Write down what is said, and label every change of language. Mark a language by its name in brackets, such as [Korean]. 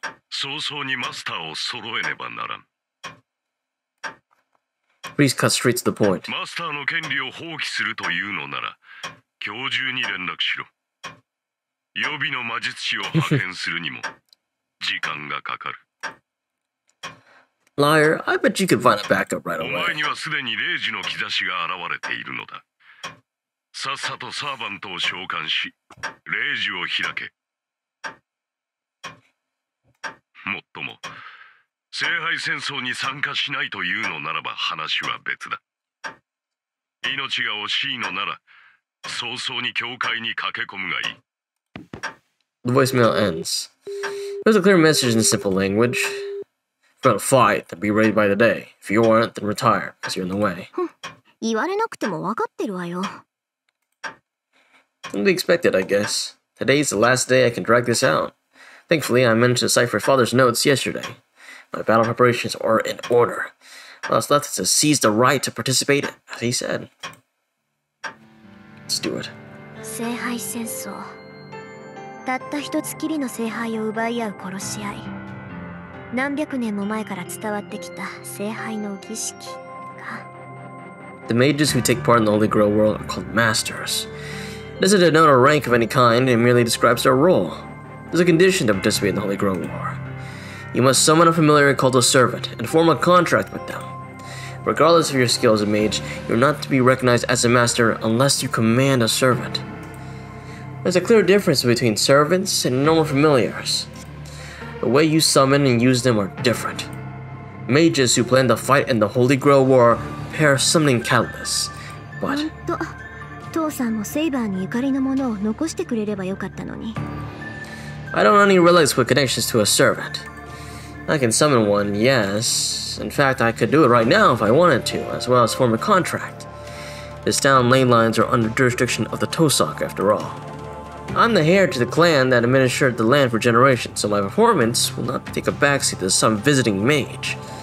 [Japanese] 早々にマスターを揃えねばならん。 [English] Please cut straight to the point. [Japanese] マスターの権利を放棄するというのなら、今日中に連絡しろ。予備の魔術師を派遣するにも時間がかかる。 [English] Liar, I bet you could find a backup right away. [Japanese] お前にはすでに0時の兆しが現れているのだ。さっさとサーバントを召喚し、0時を開け。もっとも、聖杯戦争に参加しないというのならば話は別だ。命が惜しいのなら、早々に教会に駆け込むがいい。 [English] The voicemail ends. There's a clear message in simple language. About a fight, then be ready by the day. If you aren't, then retire, because you're in the way. [Japanese] 言われなくても分かってるわよ。 [English] Only expected, I guess. Today's the last day I can drag this out. Thankfully, I managed to decipher Father's notes yesterday. My battle preparations are in order. All that's left is to seize the right to participate, as he said. Let's do it. [Japanese] 聖杯戦争。たった一つきりの聖杯を奪い合う殺し合い。何百年も前から伝わってきた聖杯の儀式か。 [English] The mages who take part in the Holy Grail world are called masters. This doesn't denote a rank of any kind, it merely describes their role. There's a condition to participate in the Holy Grail war. You must summon a familiar called a servant and form a contract with them. Regardless of your skill as a mage, you're not to be recognized as a master unless you command a servant. There's a clear difference between servants and normal familiars. The way you summon and use them are different. Mages who plan to fight in the Holy Grail War pair summoning catalysts, but... [Japanese] 本当、父さんもセイバーにゆかりのものを残してくれればよかったのに。 [English] I don't only realize what connections to a servant. I can summon one, yes. In fact, I could do it right now if I wanted to, as well as form a contract. This town ley lines are under jurisdiction of the Tosok, after all. I'm the heir to the clan that administered the land for generations, so my performance will not take a backseat to some visiting mage.